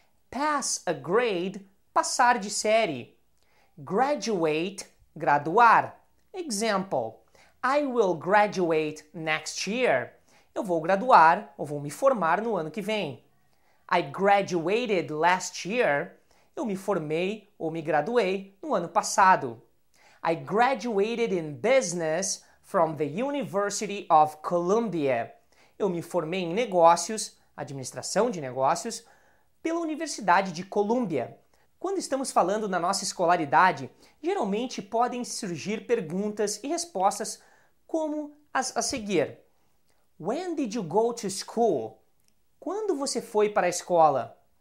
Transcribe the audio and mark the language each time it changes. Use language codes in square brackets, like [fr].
[en] Pass a grade, [pt] passar de série. [en] Graduate, graduar. Example, I will graduate next year. [pt] Eu vou graduar, ou vou me formar no ano que vem. [en] I graduated last year. [pt] Eu me formei ou me graduei no ano passado. [en] I graduated in business from the University of Columbia. [pt] Eu me formei em negócios, administração de negócios, pela Universidade de Columbia. Quando estamos falando na nossa escolaridade, geralmente podem surgir perguntas e respostas como as a seguir. [en] When did you go to school? [pt] Quando você foi para a escola?